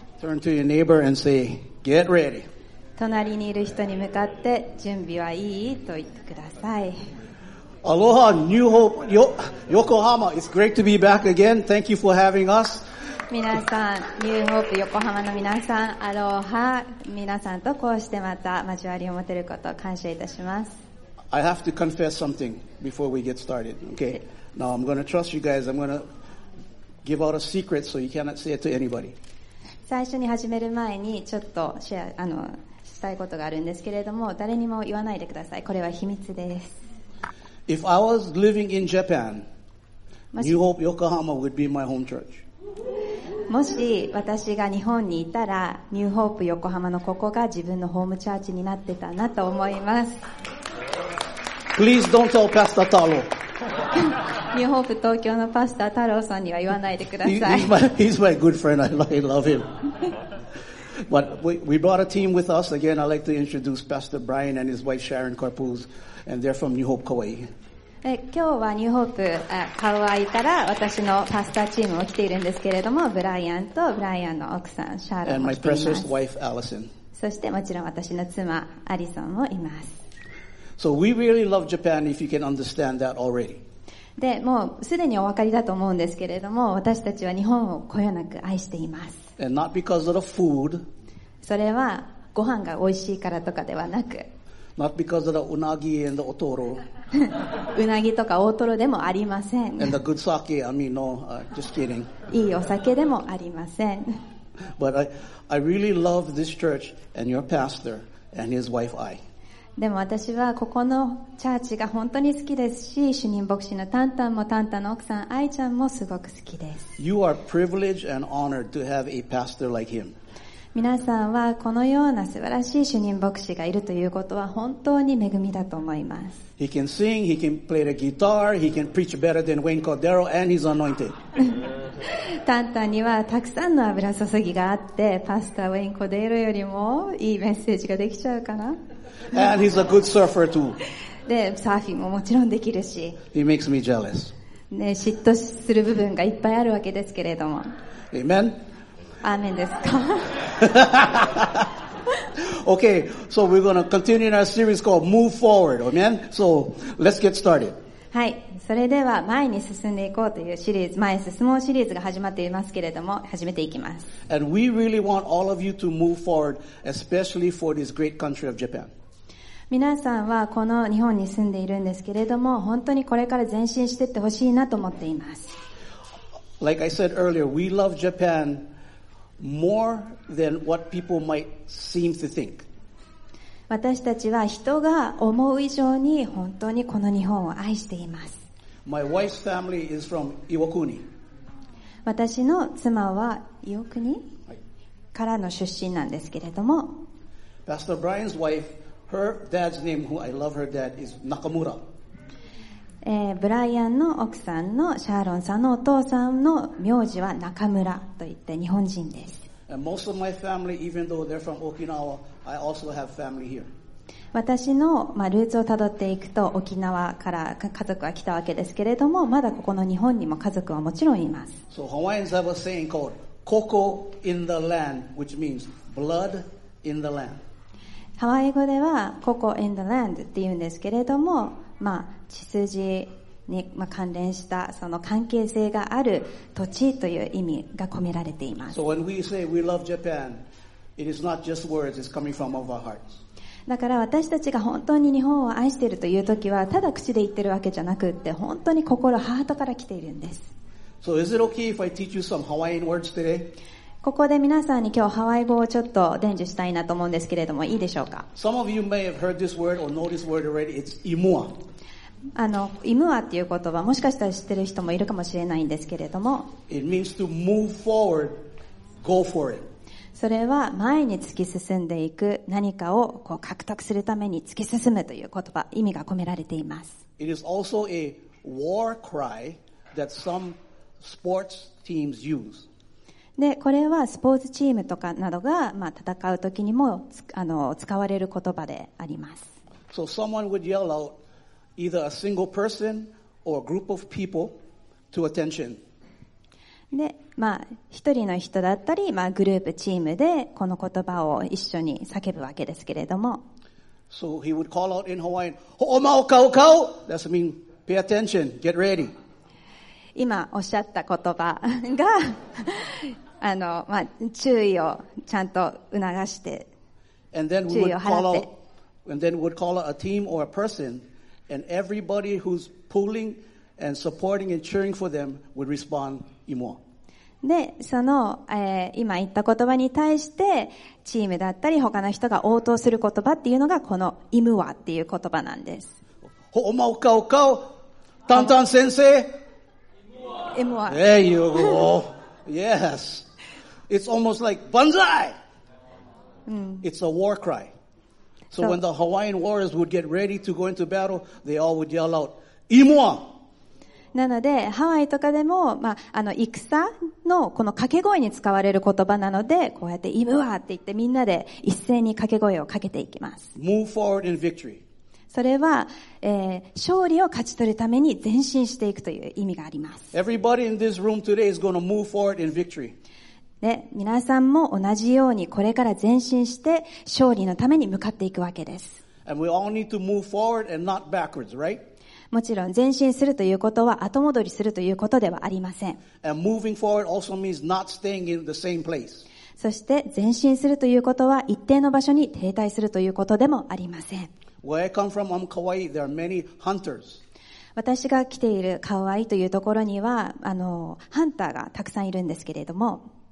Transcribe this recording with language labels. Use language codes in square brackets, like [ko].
[en] Turn to your neighbor and say, get ready. [ja] 隣にいる人に向かって準備はいい? と言ってください。 [en] アロハ、ニューホープ、Yokohama. It's great to be back again. Thank you for having us. [ja] 皆さん、ニューホープ、横浜の皆さん、アロハ。皆さんとこうしてまた交わりを持てることを感謝いたします。 [en] I have to confess something before we get started. Okay. Now I'm going to trust you guys. I'm going to give out a secret so you cannot say it to anybody. [ja] 最初に始める前にちょっとシェア、したいことがあるんですけれども、誰にも言わないでください。これは秘密です。 [en] If I was living in Japan, New Hope Yokohama would be my home church. [ja] もし私が日本にいたら、ニューホープ横浜のここが自分のホームチャーチになってたなと思います。 [en] Please don't tell Pastor Taro. [ja] ニューホープ東京のパスタ太郎さんには言わないでください。 [en] He's my good friend. I love him. But we brought a team with us. Again, I'd like to introduce Pastor Brian and his wife Sharon Carpools, and they're from New Hope Kauai. [ja] 今日はニューホープカウアイから私のパスタチームも来ているんですけれども、ブライアンとブライアンの奥さんシャーロンも来ています。 [en] And my precious wife Allison. [ja] そしてもちろん私の妻アリソンもいます。 [en] So we really love Japan if you can understand that already. [ja] で、もうすでにお分かりだと思うんですけれども、私たちは日本をこよなく愛しています。 [en] And not because of the food. [ja] それはご飯が美味しいからとかではなく。 [en] Not because of the unagi and the otoro. [ja] うなぎとか大トロでもありません。 [en] And the good sake, I mean, no, just kidding. [ja] いいお酒でもありません。 [en] But I really love this church and your pastor and his wife, Ai. [ja] でも私はここのチャーチが本当に好きですし、主任牧師のタンタンもタンタンの奥さん、アイちゃんもすごく好きです。 [en] You are privileged and honored to have a pastor like him. [ja] 皆さんはこのような素晴らしい主任牧師がいるということは本当に恵みだと思います。 [en] He can sing, he can play the guitar, he can preach better than Wayne Cordero and he's anointed. [ja] タンタンにはたくさんの油注ぎがあって、パスタウェイン・コデーロよりもいいメッセージができちゃうかな。 [en] And he's a good surfer too. [ja] で、サーフィンももちろんできるし。 [en] He makes me jealous. [ja] ね、嫉妬する部分がいっぱいあるわけですけれども。 [en] Amen? [ja] アーメンですか? [en] Okay, so we're gonna continue in our series called Move Forward, amen? So, let's get started. [ja] はい、それでは前に進んでいこうというシリーズ、前進もうシリーズが始まっていますけれども、始めていきます。 [en] And we really want all of you to move forward, especially for this great country of Japan. [ja] 皆さんはこの日本に住んでいるんですけれども、本当にこれから前進していってほしいなと思っています。 [en] Like I said earlier, we love Japan more than what people might seem to think. [ja] 私たちは人が思う以上に本当にこの日本を愛しています。 [en] My wife's family is from Iwakuni. [ja] 私の妻は Iwakuni からの出身なんですけれども、 [en] Pastor Brian's wife. Her dad's name, who I love her dad, is Nakamura. [ja] ブライアンの奥さんのシャーロンさんのお父さんの名字は中村といって日本人です。 [en] And most of my family, even though they're from Okinawa, I also have family here. [ja] 私の、まあ、ルーツをたどっていくと沖縄から家族は来たわけですけれども、まだここの日本にも家族はもちろんいます。 [en] So Hawaiians have a saying called "koko in the land," which means blood in the land. [ja] ハワイ語ではここ [en] in the land [ja] って言うんですけれども、まあ、血筋に関連したその関係性がある土地という意味が込められています。 [en] So when we say we love Japan, it is not just words, it's coming from our hearts. [ja] だから私たちが本当に日本を愛しているという時は、ただ口で言ってるわけじゃなくって、本当に心、ハートから来ているんです。 [en] So is it okay if I teach you some Hawaiian words today? [ja] ここで皆さんに今日ハワイ語をちょっと伝授したいなと思うんですけれどもいいでしょうか。 [en] Some of you may have heard this word or know this word already. It's imua. [ja] imua っていう言葉もしかしたら知ってる人もいるかもしれないんですけれども。 [en] It means to move forward, go for it. [ja] それは前に突き進んでいく何かをこう獲得するために突き進むという言葉、意味が込められています。 [en] It is also a war cry that some sports teams use. [ja] でこれはスポーツチームとかなどが、まあ、戦うときにも使われる言葉であります。 [en] So someone would yell out either a single person or a group of people to attention. [ja] で、まあ、一人の人だったり、まあ、グループチームでこの言葉を一緒に叫ぶわけですけれども。 [en] So he would call out in Hawaiian, [haw] Ho'omau kau kau! [en] That's mean, pay attention, get ready. [ja] 今おっしゃった言葉が、まあ、注意をちゃんと促して、注意を払って。 [en] And then we would call out a team or a person, and everybody who's pulling and supporting and cheering for them would respond imo. [ja] で、その、今言った言葉に対して、チームだったり他の人が応答する言葉っていうのがこのイムワっていう言葉なんです。 [haw] ほおまおかおかお、 [ja] タンタン先生。 [haw] イムワ。 [en] There you go. Yes. It's almost like banzai. It's a war cry. So when the Hawaiian warriors would get ready to go into battle, they all would yell out, Imoa! [ja] なので、ハワイとかでも、まあ、戦のこの掛け声に使われる言葉なので、こうやって Imoa! って言ってみんなで一斉に掛け声をかけていきます。 [en] Move forward in victory. [ja] それは、勝利を勝ち取るために前進していくという意味があります。 [en] Everybody in this room today is going to move forward in victory. [ja] で、皆さんも同じようにこれから前進して勝利のために向かっていくわけです。 [en] And we all need to move forward and not backwards, right? [ja] もちろん前進するということは後戻りするということではありません。 [en] And moving forward also means not staying in the same place. [ja] そして前進するということは一定の場所に停滞するということでもありません。 [en] Where I come from, I'm Kauai. There are many hunters. [ja] 私が来ているカウアイというところには、ハンターがたくさんいるんですけれども、